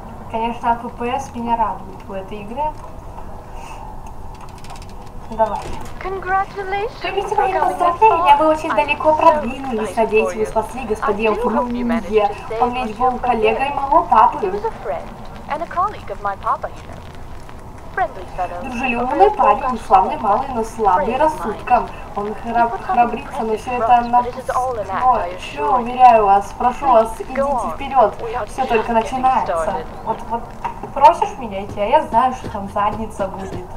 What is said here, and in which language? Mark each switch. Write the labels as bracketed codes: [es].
[ru] Конечно, FPS меня радует в этой игре. Давай. Поздравления, вы очень далеко продвинулись. Надеюсь, вы спасли господина Фурнье. Он ведь был коллегой моего папы. [en] And a colleague of my papa, you know. Friendly fellow. [ru] Дружелюбный парень, славный малый, но слабый рассудком. Он храбрится, но все это напускное. Уверяю вас, прошу вас, идите вперед. Все только начинается. Вот просишь меня идти, а я знаю, что там задница будет.